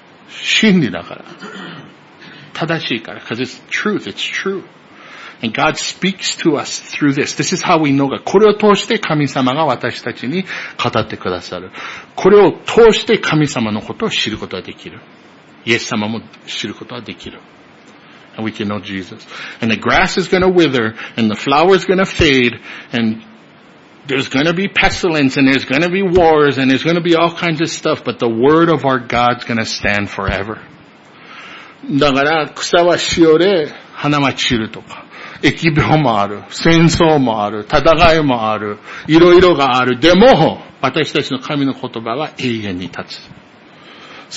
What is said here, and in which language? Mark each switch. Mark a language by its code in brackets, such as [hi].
[ja] 真理だから。正しいから。 [en] Because it's truth, it's true. And God speaks to us through this. This is how we know God. [ja] これを通して神様が私たちに語ってくださる。これを通して神様のことを知ることができる。イエス様も知ることができる。 [en] And we can know Jesus. And the grass is going to wither, and the flower is going to fade, and there's going to be pestilence, and there's going to be wars, and there's going to be all kinds of stuff, but the word of our God's going to stand forever. [ja] だから草はしおれ、花は散るとか、疫病もある、戦争もある、戦いもある、いろいろがある。でも、私たちの神の言葉は永遠に立つ。